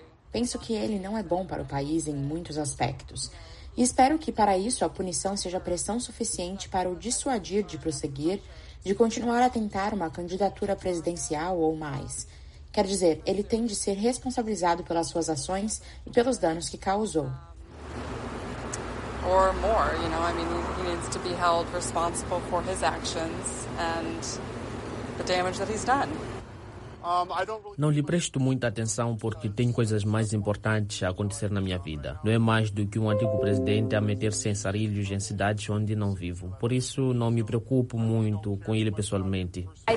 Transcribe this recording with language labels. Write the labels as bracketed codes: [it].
[pt] Penso que ele não é bom para o país em muitos aspectos. E espero que, para isso, a punição seja pressão suficiente para o dissuadir de prosseguir, de continuar a tentar uma candidatura presidencial ou mais. Quer dizer, ele tem de ser responsabilizado pelas suas ações e pelos danos que causou. [en] Or more, you know, I mean, he needs to be held responsible for his actions and the damage that he's done. [pt] Não lhe presto muita atenção porque tem coisas mais importantes a acontecer na minha vida. Não é mais do que um antigo presidente a meter-se em sarilhos em cidades onde não vivo. Por isso, não me preocupo muito com ele pessoalmente.